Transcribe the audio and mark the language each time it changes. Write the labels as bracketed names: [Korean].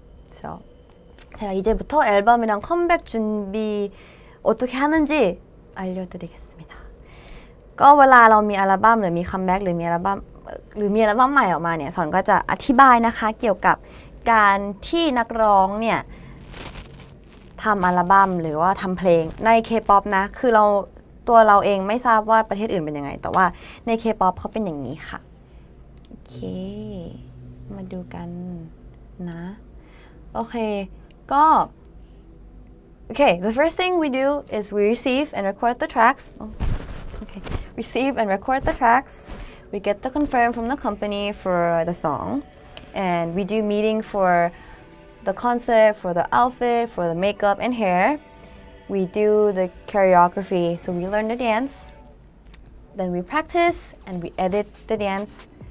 [Korean] So 제가 이제부터 앨범이랑 컴백 준비 어떻게 하는지 알려드리겠습니다. [Thai] ก็เวลาเรามีอัลบั้มหรือมีคัมแบ็กหรือมีอัลบั้มใหม่ออกมาเนี่ยสอนก็จะอธิบายนะคะเกี่ยวกับการที่นักร้องเนี่ย ทำอัลบั้มหรือว่าทำเพลงใน K-POP นะคือเราตัวเราเองไม่ทราบว่าประเทศอื่นเป็นยังไงแต่ว่าใน K-POP เขาเป็นอย่างนี้ค่ะโอเคมาดูกันนะโอเคก็โอเค [English] the first thing we do is we receive and record the tracks [Thai] receive and record the tracks. [English] We get the confirm from the company for the song. And we do meeting for the concert, for the outfit, for the makeup and hair. We do the choreography, so we learn the dance. Then we practice and we edit the dance.